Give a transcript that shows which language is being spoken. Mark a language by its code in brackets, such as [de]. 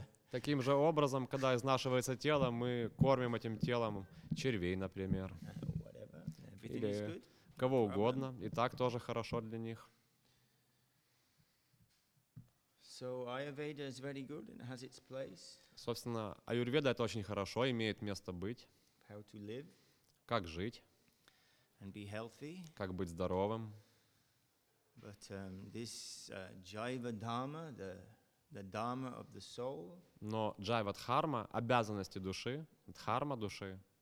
[ru] Таким же образом, когда изнашивается тело, мы кормим этим телом червей, например. Или кого угодно, и так тоже хорошо для них. [en] So Ayurveda is very good and has its place. [ru] Собственно, Аюрведа — это очень хорошо, имеет место быть. [en] How to live. [ru] Как жить? [en] And be healthy. [ru] Как быть здоровым? [en] But this jiva dharma, the dharma of the soul. [ru] Но jiva dharma, обязанности души, дхарма души.